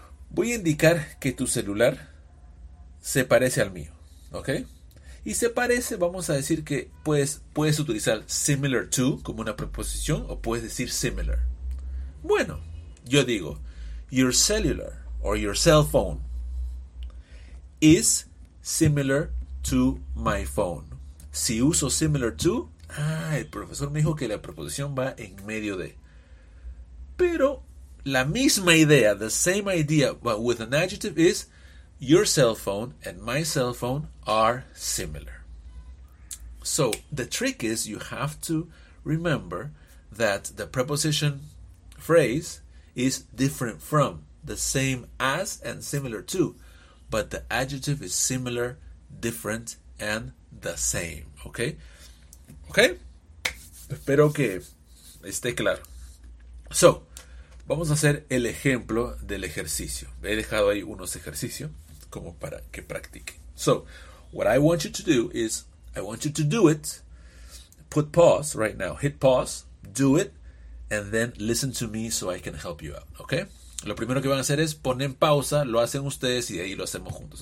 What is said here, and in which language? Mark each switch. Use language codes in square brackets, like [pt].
[es] Voy a indicar que tu celular se parece al mío. ¿Ok? Y se parece, vamos a decir que puedes utilizar similar to como una preposición, o puedes decir similar. Bueno, yo digo, [en] your cellular or your cell phone is similar to my phone. [es] Si uso similar to, el profesor me dijo que la preposición va en medio de. Pero la misma idea, [en] the same idea, but with an adjective is your cell phone and my cell phone are similar. So the trick is you have to remember that the preposition phrase is different from, the same as and similar to, but the adjective is similar, different, and the same. [es] Okay? Okay? Espero que esté claro. So, vamos a hacer el ejemplo del ejercicio. He dejado ahí unos ejercicios como para que practiquen. [en] So what I want you to do is I want you to do it. Put pause right now. Hit pause. Do it. And then listen to me so I can help you out. Okay? [es] Lo primero que van a hacer es ponen pausa. Lo hacen ustedes y de ahí lo hacemos juntos.